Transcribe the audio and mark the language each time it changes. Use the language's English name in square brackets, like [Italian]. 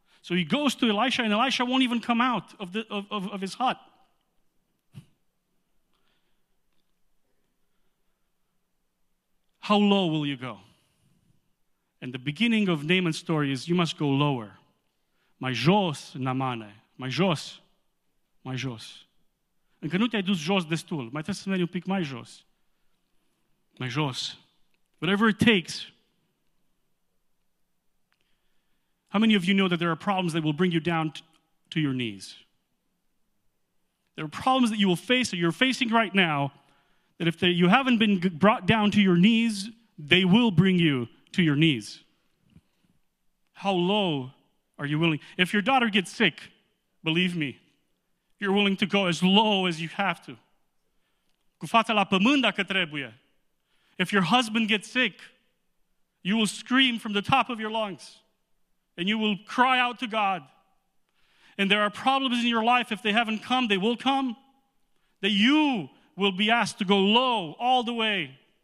[English] So he goes to Elisha, and Elisha won't even come out of his hut. How low will you go? And the beginning of Naaman's story is, you must go lower. [Romanian] Mai jos, Naamane. Mai jos. Mai jos. Încă nu te-ai dus jos destul. Mai trebuie să mergi un pic mai jos. Mai jos. [English] Whatever it takes. How many of you know that there are problems that will bring you down to your knees? There are problems that you will face, that you're facing right now, that if you haven't been brought down to your knees, they will bring you to your knees. How low are you willing? If your daughter gets sick, believe me, you're willing to go as low as you have to. [Romanian] Cu fața la pământ dacă trebuie. [English] If your husband gets sick, you will scream from the top of your lungs and you will cry out to God. And there are problems in your life. If they haven't come, they will come. That you will be asked to go low all the way.